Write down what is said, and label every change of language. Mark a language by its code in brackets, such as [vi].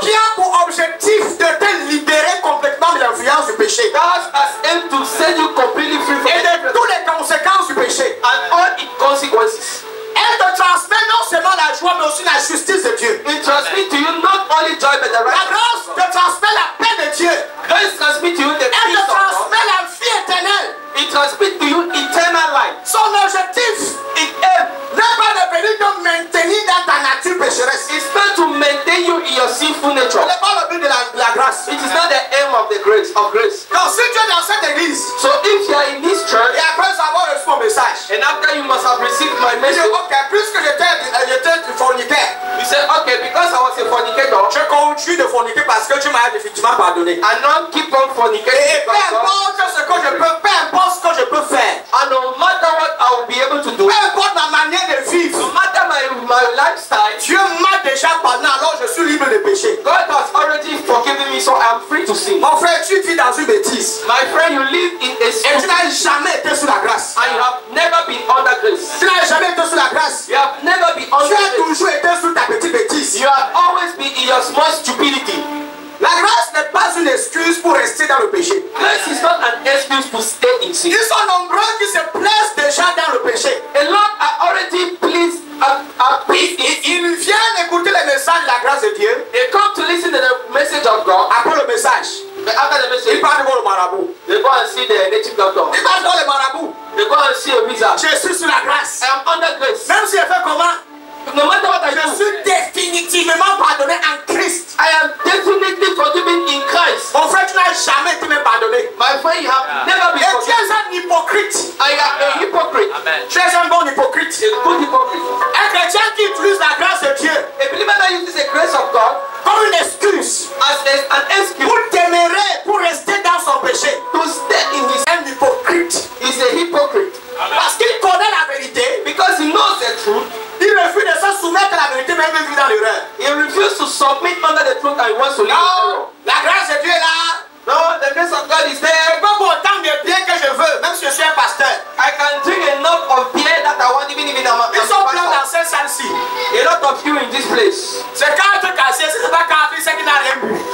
[fr] Qui a pour objectif de te libérer complètement de l'influence du péché. [en] God has aim to set you completely free from the sin. [fr] Et de toutes les conséquences du péché. [en] And all its consequences. [fr] Elle te transmet non seulement la joie mais aussi la justice de Dieu. [en] It transmits to you not only joy but the right. [fr] La grâce te transmet la paix de Dieu. [en] Grace transmits to you the peace of God. [fr] Elle te transmet la vie éternelle. [en] It transmits to you eternal life. [fr] Son objectif n'est pas de venir te maintenir dans ta nature pécheresse. [en] It's not to maintain you in your sinful nature. [fr] Ce n'est pas le but de la grâce. [en] It is not the aim of the grace of grace. [fr] Donc si tu es dans cette église, [en] so if you are in this church, [fr] et après avoir reçu mon message, [en] and after you must have received my message, [fr] ok, puisque j'étais fornicaire, [en] you say ok, because I was a fornicator, [fr] je continue de forniquer parce que tu m'as effectivement pardonné. [en] I don't keep on forniquating. [fr] Et peu importe ce que je peux, peu importe ce que je peux faire, [en] and no matter what I will be able to do, [fr] peu importe ma manière de vivre, [en] no matter my lifestyle, [fr] Dieu m'a déjà pardonné, alors je suis libre de péché. [en] God has already forgiven me, so I am free to sin. [fr] Mon frère, tu vis dans une bêtise. [en] My friend, you live in a sin. [fr] Et tu n'as jamais été sous la grâce. [en] And you have never been under grace. [fr] Tu n'as jamais été sous la grâce. [en] You have never been under [fr] grace. Tu as toujours été sous ta petite bêtise. [en] You have always been in your small stupidity. [fr] La grâce n'est pas une excuse pour rester dans le péché. [en] Grace is not an excuse to stay in sin. [fr] Ils sont nombreux qui se plaisent déjà dans le péché. [en] A lot are already pleased. [fr] Ils viennent écouter les messages de la grâce de Dieu. [en] They come to listen to the message of God. [fr] Après le message, [en] but after the message, [fr] ils partent voir le marabout. [en] They go and see the native doctor. [fr] Ils partent voir le marabout. [en] They go and see a wizard. [fr] Je suis sous la grâce. [en] I am under grace. [fr] Même si je fais comment, [en] no matter what I do, [fr] je suis définitivement pardonné en Christ. [en] I am definitely forgiven in Christ. [fr] Mon frère, tu n'as jamais été même pardonné. [en] My friend, you have never been [fr] et [en] forgiven. [fr] Et tu es un hypocrite. [en] I am a hypocrite. Amen. [fr] Tu es un bon hypocrite. [en] A good hypocrite. [fr] Un chrétien qui utilise la grâce de Dieu. [en] A believer that uses the grace of God [fr] comme une excuse. [en] As an excuse. [fr] Pour demeurer, pour rester dans son péché. [en] To stay in his sin. Hypocrite. Is a hypocrite. [fr] Amen. Parce qu'il connaît la vérité. [en] Because he knows the truth. [fr] Il refuse de se soumettre à la vérité même vivre dans l'erreur. [en] He refuses to submit under the truth and wants to live. [fr] Non, la grâce de Dieu est là. [en] No, the grace of God is there. [fr] Je peux boire autant de bien que je veux, même si je suis un pasteur. [en] I can drink enough of beer that I want even if I'm a [fr] pastor. Ils sont plein dans cette salle-ci. [en] A lot of you in this place. [fr] C'est quatre cassiers, c'est pas quatre, c'est qu'il n'a rien bu.